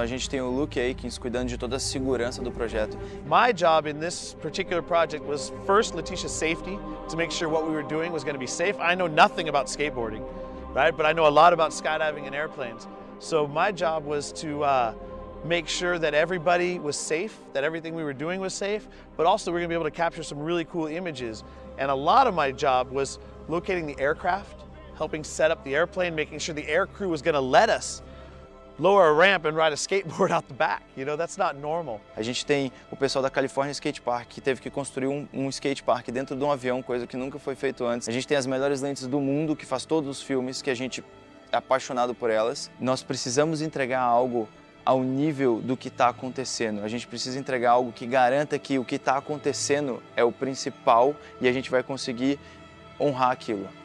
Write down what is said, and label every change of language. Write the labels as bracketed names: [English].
[Portuguese] Tem o Luke Aikens cuidando de toda a segurança do projeto. [English] My job in this particular project was first Leticia's safety, to make sure what we were doing was going to be safe. I know nothing about skateboarding, right? But I know a lot about skydiving and airplanes. So my job was to make sure that everybody was safe, that everything we were doing was safe, but also we're going to be able to capture some really cool images. And a lot of my job was locating the aircraft, helping set up the airplane, making sure the air crew was going to let us lower a ramp and ride a skateboard out the back. You know, that's not normal. [Portuguese] A gente tem o pessoal da California Skate Park que teve que construir um skate park dentro de um avião, coisa que nunca foi feito antes. A gente tem as melhores lentes do mundo que faz todos os filmes, que a gente é apaixonado por elas. Nós precisamos entregar algo ao nível do que está acontecendo. A gente precisa entregar algo que garanta que o que está acontecendo é o principal e a gente vai conseguir honrar aquilo.